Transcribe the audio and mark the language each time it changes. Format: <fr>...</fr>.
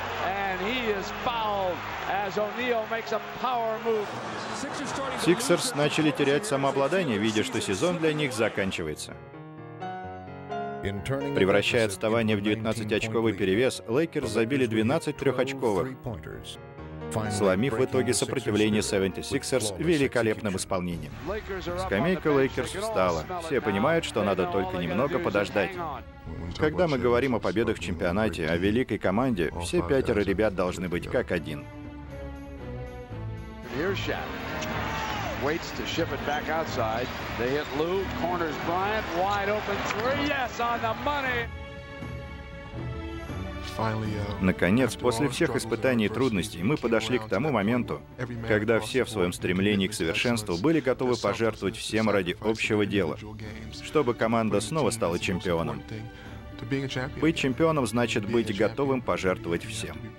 <en>and he is fouled as O'Neal makes a power move.</en> <ru>Sixers начали терять самообладание, видя, что сезон для них заканчивается. Превращая отставание в 19-очковый перевес, Лейкерс забили 12 трехочковых, сломив в итоге сопротивление 76ers великолепным исполнением. Скамейка Лейкерс встала. Все понимают, что надо только немного подождать. Когда мы говорим о победах в чемпионате, о великой команде, все пятеро ребят должны быть как один.</ru> <en>Waits to ship it back outside. They hit Lou, corners Bryant, wide open three. Yes, on the money.</en> <ru>Наконец, после всех испытаний и трудностей, мы подошли к тому моменту, когда все в своем стремлении к совершенству были готовы пожертвовать всем ради общего дела, чтобы команда снова стала чемпионом. Быть чемпионом значит быть готовым пожертвовать всем.</ru>